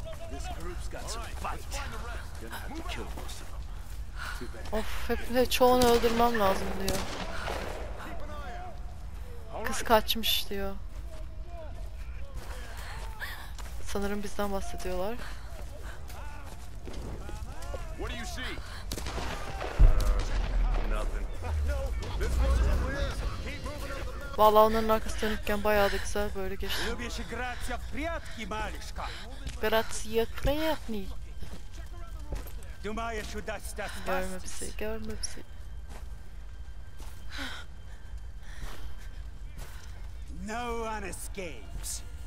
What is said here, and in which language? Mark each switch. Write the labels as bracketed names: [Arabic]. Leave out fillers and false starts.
[English] This group's got some fight. Gonna have to kill most of them. [Turkish] Of, hep çoğunu öldürmem lazım diyor. Kız kaçmış diyor. Sanırım bizden bahsediyorlar. [English] What do you see? [Turkish] Vallahi onların arkası dönükken bayağı da güzel böyle geçti. [Russian] Любишь играть в прятки, малышка? Грация приятный. Думаешь удастся? [Turkish] Görme bizi, görme bizi. [English] No one escapes.